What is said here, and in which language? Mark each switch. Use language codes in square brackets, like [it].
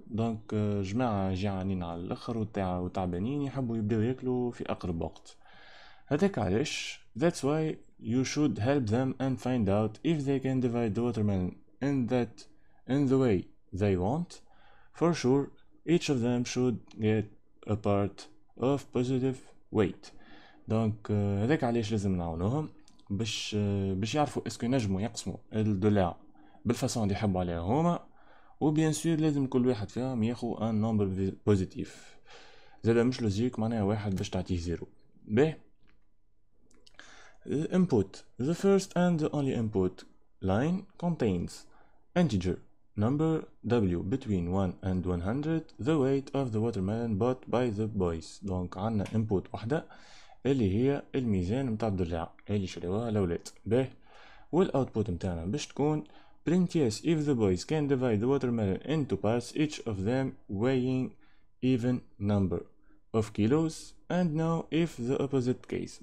[ar] دونك جماعة جعانين على الاخر وتعبانين يحبوا يبداو ياكلوا في اقرب وقت. هذاك علاش [en] that's why you should help them and find out if they can divide the watermelon in the way they want. For sure each of them should get a part of positive weight. [ar] دونك هذاك علاش لازم نعاونوهم باش يعرفوا اسكو ينجموا يقسموا الدولاع بالفاسون اللي يحبوا عليها هما. وبيان سور لازم كل واحد فيهم ياخو [fr] ان نومبر بوزيتيف. [ar] زاد مش لوجيك معناها واحد باش تعطيه زيرو. [en] باهي input the first and the only input line contains integer number w between 1 and 100 the weight of the watermelon bought by the boys. [ar] دونك عندنا input وحده اللي هي الميزان نتاع الضلع اللي شريوها الاولاد. باه والoutput نتاعنا باش تكون [en] print yes if the boys can divide the watermelon into parts each of them weighing even number of kilos and now if the opposite case.